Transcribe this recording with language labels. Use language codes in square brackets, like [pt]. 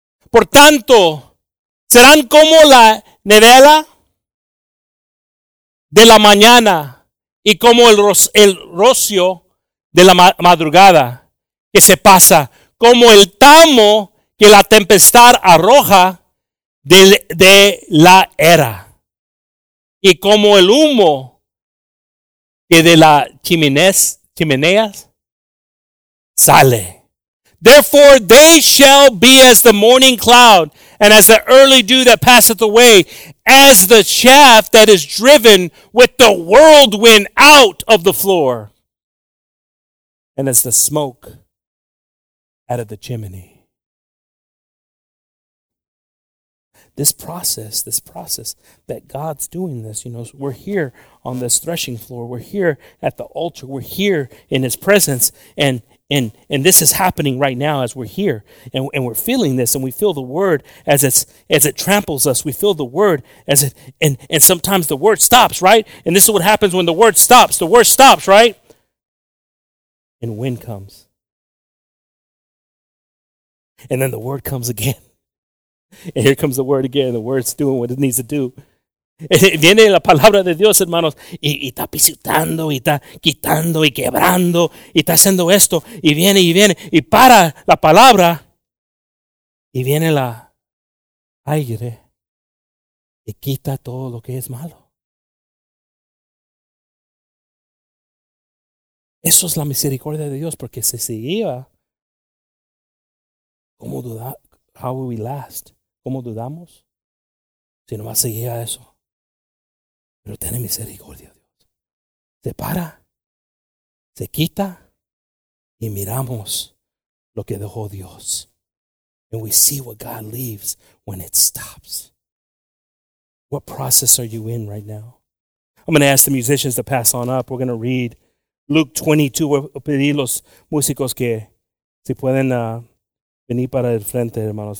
[es] Por tanto, serán como la neblina de la mañana y como el rocío de la madrugada que se pasa, como el tamo que la tempestad arroja de la era y como el humo que de las chimeneas sale. [en] Therefore they shall be as the morning cloud, and as the early dew that passeth away, as the chaff that is driven with the whirlwind out of the floor, and as the smoke out of the chimney. This process that God's doing this, you know, we're here on this threshing floor, we're here at the altar, we're here in his presence, And this is happening right now as we're here, and we're feeling this, and we feel the word as it tramples us. We feel the word as it, and sometimes the word stops, right? And this is what happens when the word stops. The word stops, right? And wind comes. And then the word comes again. And here comes the word again. The word's doing what it needs to do. [es] Viene la palabra de Dios, hermanos, y está pisotando, y está quitando, y quebrando, y está haciendo esto, y viene, y para la palabra, y viene la aire, y quita todo lo que es malo. Eso es la misericordia de Dios, porque si se iba, ¿cómo duda? [en] How will we last? [es] ¿Cómo dudamos? Si no va a seguir a eso. Pero tiene misericordia, Dios. Se para, se quita, y miramos lo que dejó Dios. [en] And we see what God leaves when it stops. What process are you in right now? I'm going to ask the musicians to pass on up. We're going to read Luke 22. We'll [es] pedir los músicos que si pueden venir para el frente, hermanos.